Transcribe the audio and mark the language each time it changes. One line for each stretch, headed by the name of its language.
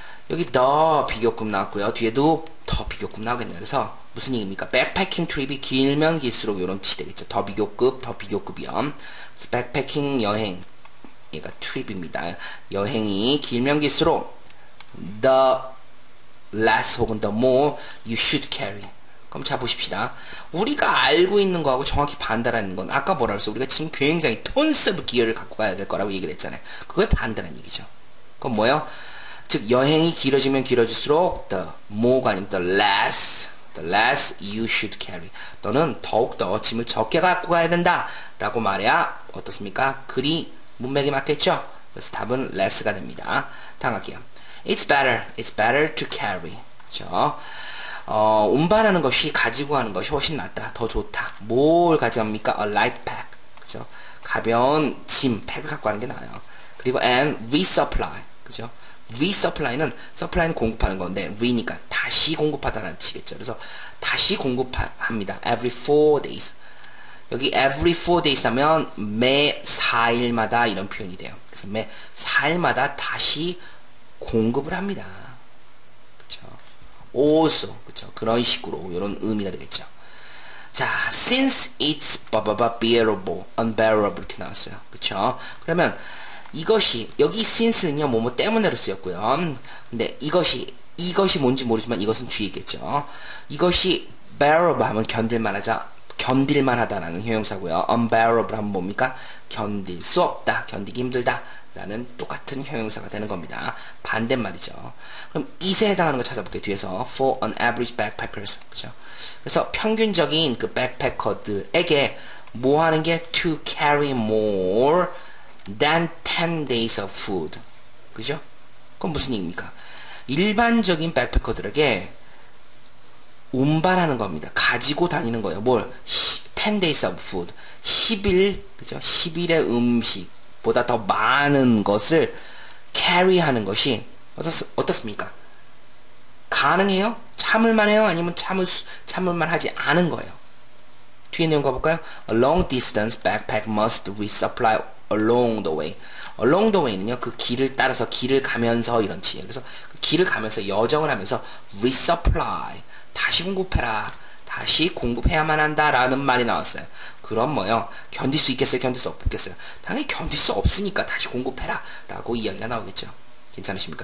Korean: 여기 the 비교급 나왔고요. 뒤에도 더 비교급 나오겠네요. 그래서 무슨 얘기입니까? backpacking trip이 길면 길수록 이런 뜻이 되겠죠. 더 비교급이요. 그래서 backpacking 여행. 얘가 trip입니다. 여행이 길면 길수록
English: the less
Korean: 혹은
English: the more you should carry.
Korean: 그럼 자 보십시다. 우리가 알고 있는 거하고 정확히 반대라는 건 아까 뭐라 그랬어? 우리가 지금 굉장히
English: tons of gear
Korean: 를 갖고 가야 될 거라고 얘기를 했잖아요. 그거에 반대라는 얘기죠. 그건 뭐예요? 즉 여행이 길어지면 길어질수록
English: the more가
Korean: 아니면
English: the less you should carry.
Korean: 너는 더욱더 짐을 적게 갖고 가야 된다 라고 말해야 어떻습니까? 그리 문맥에 맞겠죠? 그래서 답은 less가 됩니다. 다음 갈게요.
English: It's better to carry.
Korean: 그렇죠? 운반하는 것이, 가지고 하는 것이 훨씬 낫다. 더 좋다. 뭘 가져갑니까?
English: A light pack.
Korean: 그죠? 가벼운 짐, 팩을 갖고 가는 게 나아요. 그리고
English: and resupply.
Korean: 그죠? resupply는 supply는 공급하는 건데 re니까 다시 공급하다는 뜻이겠죠. 그래서 다시 공급합니다.
English: every 4 days.
Korean: 여기
English: every 4 days
Korean: 하면 매 4일마다 이런 표현이 돼요. 그래서 매 4일마다 다시 공급을 합니다. 그렇죠? also. 그렇죠? 그런 식으로 이런 의미가 되겠죠.
English: 자, since it's bearable, unbearable
Korean: 이렇게 나왔어요. 그렇죠? 그러면 이것이 여기 since는요 뭐뭐 때문에로 쓰였고요. 근데 이것이 뭔지 모르지만 이것은 주의겠죠. 이것이 bearable 하면 견딜만하자, 견딜만하다라는 형용사고요. unbearable 하면 뭡니까? 견딜 수 없다, 견디기 힘들다라는 똑같은 형용사가 되는 겁니다. 반대말이죠. 그럼 it에 해당하는 거 찾아볼게요. 뒤에서
English: for an average backpackers,
Korean: 그렇죠? 그래서 평균적인 그 백패커들에게 뭐 하는 게
English: to carry more than 10 days of food.
Korean: 그죠? 그건 무슨 얘기입니까? 일반적인 백패커들에게 운반하는 겁니다. 가지고 다니는 거예요. 뭘?
English: 10 days of food.
Korean: 10일, 그죠? 10일의 음식보다 더 많은 것을 carry 하는 것이 어떻습니까? 가능해요? 참을만 해요? 아니면 참을만 하지 않은 거예요? 뒤에 내용 가볼까요?
English: A long distance backpack must resupply along the way. along the way
Korean: 는요, 그 길을 따라서, 길을 가면서 이런 지혜. 그래서 그 길을 가면서, 여정을 하면서 resupply, 다시 공급해라, 다시 공급해야만 한다 라는 말이 나왔어요. 그럼 뭐요? 견딜 수 있겠어요? 견딜 수 없겠어요? 당연히 견딜 수 없으니까 다시 공급해라 라고 이야기가 나오겠죠. 괜찮으십니까?